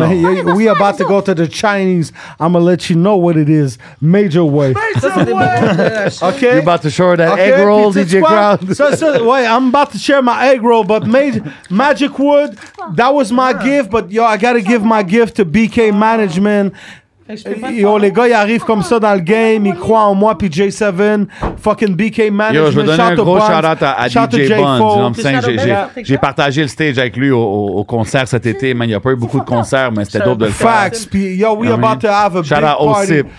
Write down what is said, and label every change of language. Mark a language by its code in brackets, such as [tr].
[en] Hey, we about to go to the Chinese. I'm going to let you know what it is. Major way. Major way. Okay. You about to share that egg roll, DJ Crowd. Wait, I'm about to share my egg roll, but Magic Wood, that was my gift, but yo, I got to give my gift to BK Management. [fr] Yo, les gars, ils arrivent comme ça dans le game, ils croient en moi, puis J7, fucking BK Management. Yo, je vais donner un gros shout-out à DJ Bonds. J'ai partagé le stage avec lui au concert cet été. Man, il n'y a pas eu beaucoup de concerts, mais c'était dope de le faire. [en] Facts, yo, we about to have a big party.